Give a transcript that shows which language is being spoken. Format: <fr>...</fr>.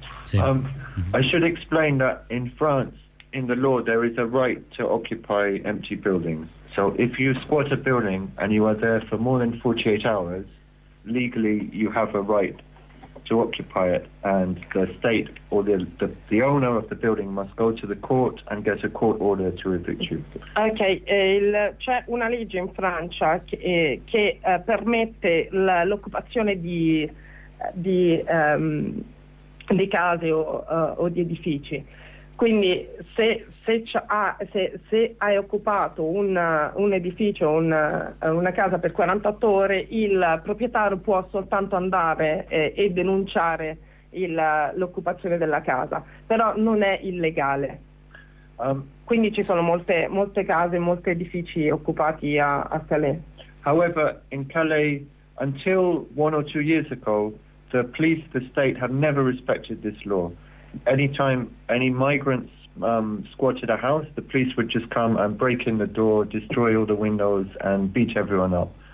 <en>I should explain that in France, in the law, there is a right to occupy empty buildings. So if you squat a building and you are there for more than 48 hours, legally you have a right to occupy it, and the state or the owner of the building must go to the court and get a court order to evict you.</en> <it>Okay, c'è una legge in Francia che permette l'occupazione di case o di edifici. Quindi se hai occupato un edificio, una casa per 48 ore, il proprietario può soltanto andare e denunciare l'occupazione della casa, però non è illegale. Quindi ci sono molte case, molti edifici occupati a Calais.</it> <en>However, in Calais, until one or two years ago, the police, the state, have never respected this law. anytime any migrants squatted a house, the police would just come and break in the door, destroy all the windows and beat everyone up.</en>